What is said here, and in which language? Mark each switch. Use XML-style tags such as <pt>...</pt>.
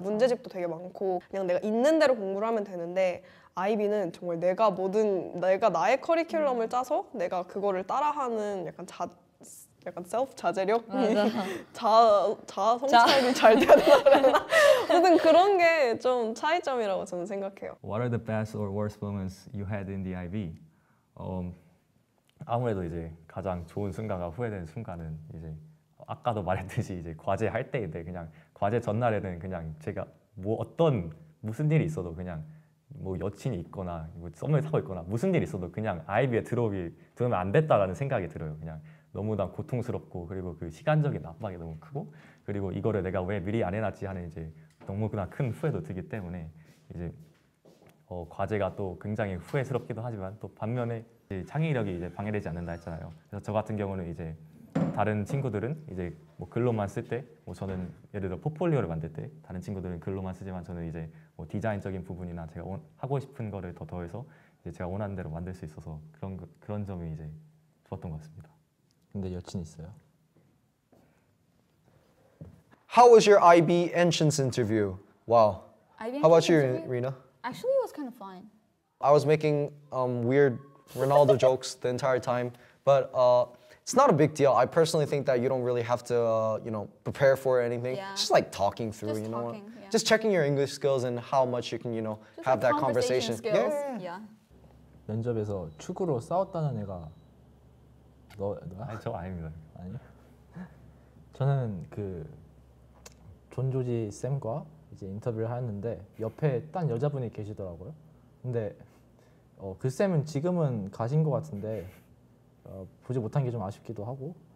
<ko>문제집도 되게 많고 그냥 내가 있는 대로 공부를 하면 되는데, 아이비는 정말 내가 모든 내가 나의 커리큘럼을 짜서 내가 그거를 따라하는 약간 자 약간 셀프 자제력? 자 성찰이 잘 된다고 했나? 아무튼 그런 게 좀 차이점이라고 저는 생각해요. What are the best or worst moments you had in the IB? 아무래도 이제 가장 좋은 순간과 후회되는 순간은 이제 아까도 말했듯이 이제 과제 할 때인데, 그냥 과제 전날에는 그냥 제가 뭐 어떤 무슨 일이 있어도 그냥 뭐 여친이 있거나 뭐 썸을 타고 있거나 무슨 일이 있어도 그냥 IB에 들어오면 안 됐다라는 생각이 들어요. 그냥 너무나 고통스럽고 그리고 그 시간적인 압박이 너무 크고 그리고 이거를 내가 왜 미리 안 해놨지 하는 이제 너무나 큰 후회도 들기 때문에 이제 과제가 또 굉장히 후회스럽기도 하지만 또 반면에 이제 창의력이 이제 방해되지 않는다 했잖아요. 그래서 저 같은 경우는 이제 다른 친구들은 이제 뭐 글로만 쓸 때, 뭐 저는 예를 들어 포폴리오를 만들 때 다른 친구들은 글로만 쓰지만 저는 이제 뭐 디자인적인 부분이나 제가 하고 싶은 거를 더 더해서 이제 제가 원하는 대로 만들 수 있어서 그런 점이 이제 좋았던 것 같습니다. 근데 여친 있어요?</ko> <en>How was your IB entrance interview? Wow. How about you, Rina? Actually, it was kind of fine. I was making weird Ronaldo jokes the entire time, but it's not a big deal. I personally think that you don't really have to, you know, prepare for anything. Yeah. Just like talking through, just you know, talking, yeah. Just checking your English skills and how much you can, you know, just have like that conversation. Skills. Yeah.</en> <ko>면접에서 축으로 싸웠다는 애가 너야? 아니, 저 아닙니다. 아니. 저는 그 존 조지 쌤과 이제 인터뷰를 하였는데 옆에 딴 여자분이 계시더라고요. 근데 그 쌤은 지금은 가신 것 같은데 보지 못한 게 좀 아쉽기도 하고.</ko>